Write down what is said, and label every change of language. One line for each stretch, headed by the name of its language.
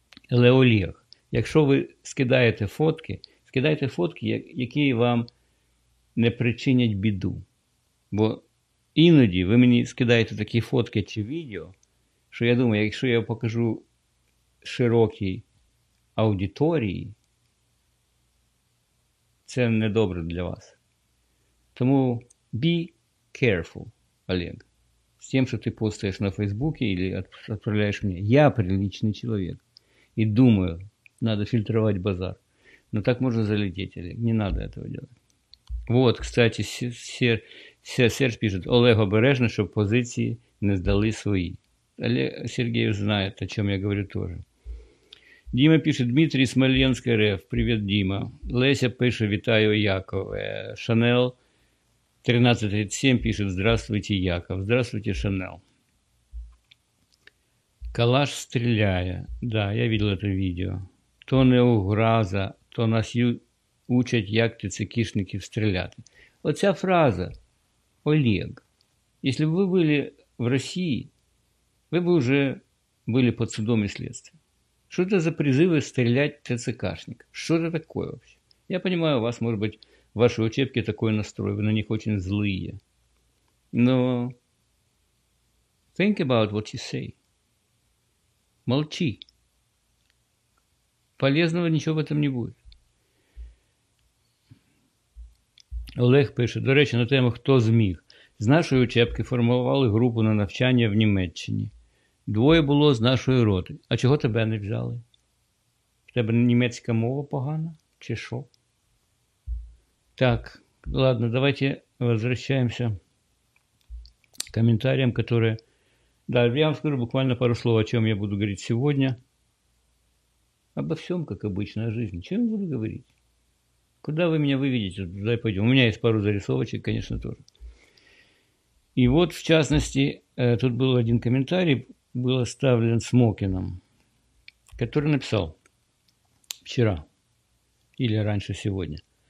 Ukrainian: Але, Олег, якщо ви скидаєте фотки, які вам не причинять біду. Бо іноді ви мені скидаєте такі фотки чи відео, що я думаю, якщо я покажу широкій аудиторії, це не добре для вас. Тому
English: be careful,
Ukrainian: Олег, з тим, що ти постаєш на Фейсбуці і відправляєш мені. Я приличний чоловік і думаю, треба фільтрувати базар. Ну так можна залетіти, Олег, не треба цього робити.
Russian: Вот, кстати, Серж пишет,
Ukrainian: Олег, обережно, щоб позиції не здали свої. Але Сергій знає,
Russian: о чем я говорю тоже.
Ukrainian: Дима пише, Дмитрий Смоленський РФ,
Russian: привет, Дима.
Ukrainian: Леся пише, вітаю, Якове.
Russian: Шанел 1337 пише, здравствуйте, Яков. Здравствуйте, Шанел.
Ukrainian: Калаш стріляє.
Russian: Да, я видел это видео. То не угроза, то нас...
Ukrainian: учать, як ти цикишників стріляти. Оця фраза, Олег, якщо б ви були в Росії, ви б вже були під судом і слідством. Що це за призиви стріляти цикашників? Що це таке взагалі? Я розумію, у вас, може бути, в вашій учебці такий настрой, ви на них дуже злі. Але
English: think about what you say.
Russian: Молчи.
Ukrainian: Полезного нічого в цьому не буде. Олег пише, до речі, на тему «Хто зміг?». З нашої учебки формували групу на навчання в Німеччині. Двоє було з нашої роти. А чого тебе не взяли? В тебе німецька мова погана? Чи що? Так, ладно, давайте возвращаємося коментаріям, які...
Russian: Да, я вам скажу буквально пару слов,
Ukrainian: о чому я буду говорити сьогодні.
Russian: Обо всьому, як обычно, о житті.
Ukrainian: Чому я буду говорити?
Russian: Куда вы меня выведете? Туда и пойдем. У меня есть пару зарисовочек, конечно, тоже. И вот, в частности, тут был один комментарий, был оставлен Смокином, который написал вчера или раньше сегодня.